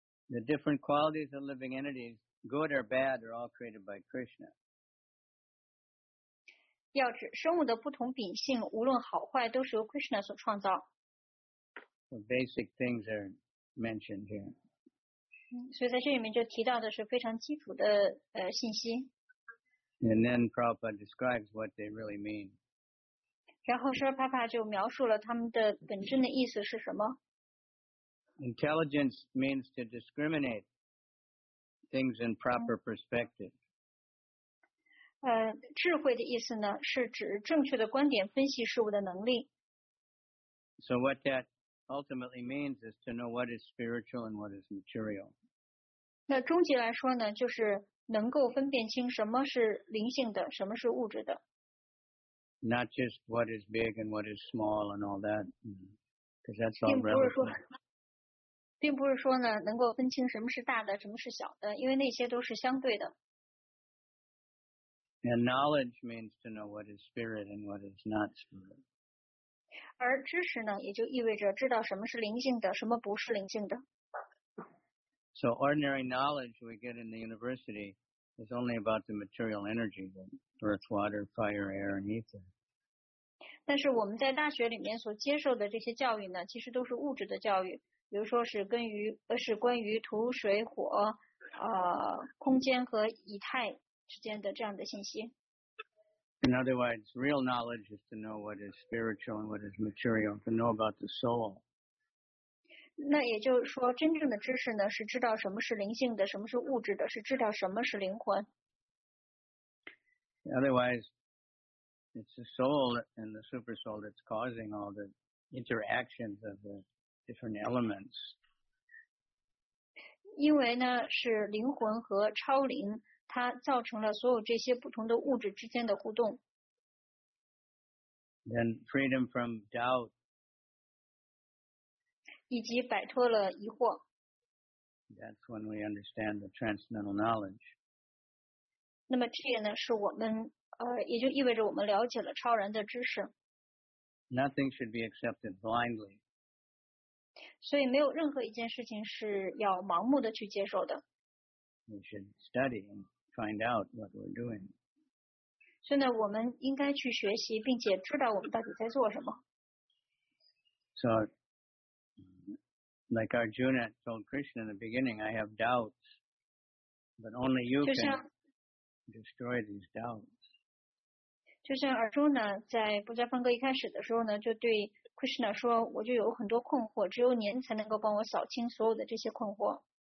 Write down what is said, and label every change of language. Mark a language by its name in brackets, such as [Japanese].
[English] The different qualities of living entities, good or bad, are all created by Krishna. [Chinese] 要指生物的不同秉性，无论好坏，都是由 Krishna 所创造。 [English] The basic things are mentioned here. [Chinese] 所以在这里面就提到的是非常基础的信息。 [English] And then Prabhupada describes what they really mean. [Chinese] 然后说帕帕就描述了他们的本真的意思是什么。 [English] Intelligence means to discriminate things in proper perspective. [Chinese] 智慧的意思呢，是指正确的观点分析事物的能力。 [English] So what that ultimately means is to know what is spiritual and what is material. [Chinese] 那终极来说呢，就是能够分辨清什么是灵性的，什么是物质的。 [English] Not just what is big and what is small and all that, because that's all relative. [Chinese] 并不是说呢，能够分清什么是大的，什么是小的，因为那些都是相对的。 [English] And knowledge means to know what is spirit and what is not spirit. [Chinese] 而知识呢，也就意味着知道什么是灵性的，什么不是灵性的。 [English] So ordinary knowledge we get in the university is only about the material energy, the earth, water, fire, air, and ether. [Chinese] 但是我们在大学里面所接受的这些教育呢，其实都是物质的教育。比如说是跟于是关于土水火空间和以太之间的这样的信息。 [English] In other words, real knowledge is to know what is spiritual and what is material, to know about the soul. [Chinese] 那也就是说真正的知识呢是知道什么是灵性的，什么是物质的，是知道什么是灵魂。 [English] Otherwise, it's the soul and the super soul that's causing all the interactions of the different elements. [Chinese] 因为呢是灵魂和超灵，它造成了所有这些不同的物质之间的互动。 [English] Then freedom from doubt. [Chinese] 以及摆脱了疑惑。 [English] That's when we understand the transcendental knowledge. [Chinese] 那么这也呢是我们也就意味着我们了解了超然的知识。 [English] Nothing should be accepted blindly. [Chinese] 所以没有任何一件事情是要盲目的去接受的。 [English] We should study and find out what we're doing. [Chinese] 所以呢，我们应该去学习，并且知道我们到底在做什么。 [English] So, like Arjuna told Krishna in the beginning, I have doubts, but only you can destroy these doubts. [Chinese] 就像 Arjuna 在《不加方歌》一开始的时候呢，就对Krishna 说我就有很多困惑，只有您才能够帮我扫清所有的这些困惑。